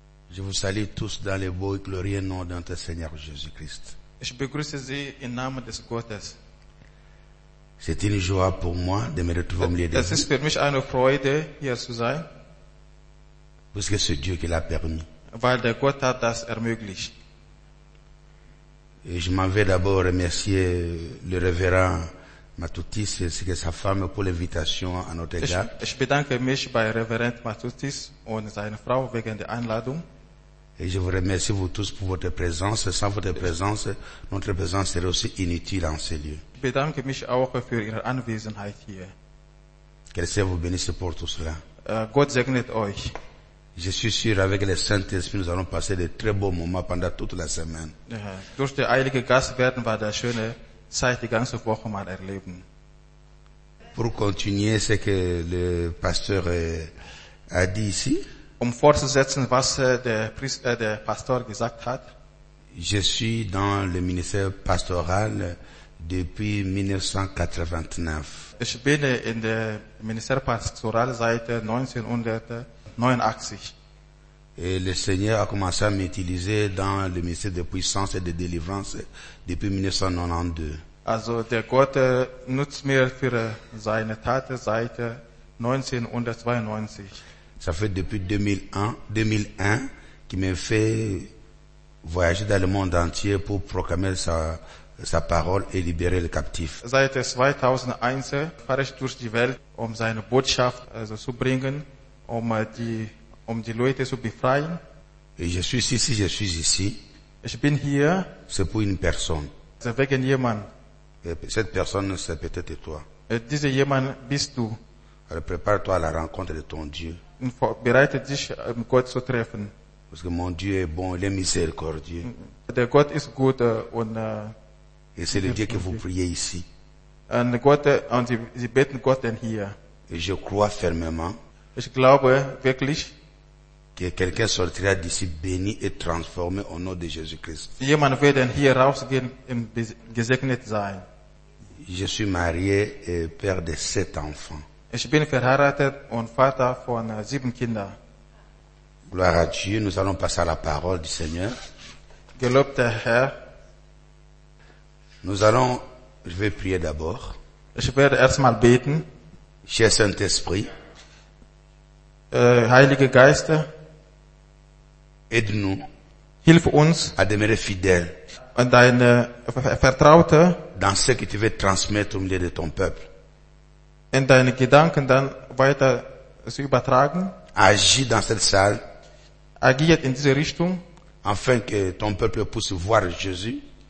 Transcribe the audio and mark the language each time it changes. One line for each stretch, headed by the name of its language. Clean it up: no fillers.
French: Je vous salue tous dans le beau et glorieux nom de notre Seigneur Jésus-Christ.
German: Ich begrüße Sie im Namen des Gottes.
French: C'est une joie pour moi de me retrouver au milieu de vous.
German: Es ist für mich eine Freude, hier zu sein.
French: Parce que c'est Dieu qui l'a permis.
German: Weil der Gott hat das ermöglicht.
French: Et je m'en vais d'abord remercier le révérend Matutis ainsi que sa femme pour l'invitation à notre égard.
German: Ich bedanke mich bei Reverend Matutis und seiner Frau wegen der Einladung.
French: Et je vous remercie vous tous pour votre présence. Sans votre présence, notre présence serait aussi inutile en ces lieux.
German: Ich bedanke mich auch für Ihre Anwesenheit hier.
French: Que le Seigneur vous bénisse pour tout cela.
German: Gott segnet euch.
French: Je suis sûr avec le Saint-Esprit, nous allons passer de très beaux moments pendant toute la semaine.
German: Durch den Heiligen Geist werden wir eine schöne Zeit die ganze Woche mal erleben.
French: Pour continuer ce que le pasteur a dit ici.
German: Um fortzusetzen, was der Pastor gesagt hat.
French: Je suis dans le ministère pastoral depuis 1989.
German: Ich bin in der
French: Ministère pastoral
German: seit 1989.
French: Et le Seigneur a commencé à m'utiliser dans le ministère de puissance et de délivrance depuis 1992.
German: Also, der Gott nutzt mir für seine Taten seit 1992.
French: Ça fait depuis 2001 qu'il m'a fait voyager dans le monde entier pour proclamer sa parole et libérer les captifs.
German: Seit 2001 fahre ich durch die Welt, um seine Botschaft also zu bringen, um die Leute zu befreien.
French: Et je suis ici, je suis ici.
German: Ich bin hier.
French: C'est pour une personne. C'est
German: wegen jemand.
French: Et cette personne, c'est peut-être toi.
German: Et dieser jemand bist du.
French: Alors prépare-toi à la rencontre de ton Dieu.
German: Bereite dich, Gott zu treffen.
French: Parce que mon Dieu est bon, il est miséricordieux.
German: Der Gott ist gut und
French: et c'est le Dieu que vous priez ici.
German: And Gott, und Sie beten Gott denn hier.
French: Et je crois fermement.
German: Ich glaube wirklich.
French: Que quelqu'un sortira d'ici béni et transformé au nom de Jésus-Christ.
German: Jemand wird denn hier rausgehen und gesegnet sein.
French: Je suis marié et père de 7 enfants.
German: Ich bin verheiratet und Vater von 7 Kindern.
French: Gloire à Dieu, nous allons passer à la parole du Seigneur.
German: Gelobte Herr.
French: Nous allons, je vais prier d'abord.
German: Ich werde erstmal beten.
French: Cher Saint-Esprit.
German: Heilige Geiste.
French: Aide-nous.
German: Hilf uns.
French: À demeurer fidèles.
German: Und deine Vertraute.
French: Dans ce que tu veux transmettre au milieu de ton peuple.
German: Und deine Gedanken dann weiter zu übertragen.
French: Agis dans cette salle.
German: Agiert in diese Richtung.
French: Afin que ton peuple puisse voir Jésus.